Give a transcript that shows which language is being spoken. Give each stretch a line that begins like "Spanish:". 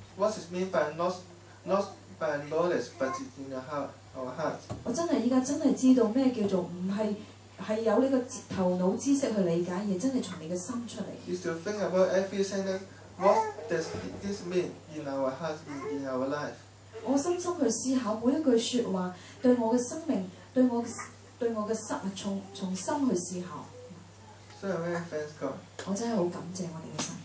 English: What is mean by not by knowledge, but in our heart?
Cantonese: 我真係而家真係知道咩叫做唔係。係有呢個頭腦知識去理解，而真係從你嘅心出嚟。
English: Is to think about every sentence. What does this mean in our heart, in our life?
Cantonese: 我深深去思考每一句説話，對我嘅生命，對我嘅心從心去思考。
English: So I'm very thankful.
Cantonese: 我真係好感謝我哋嘅神。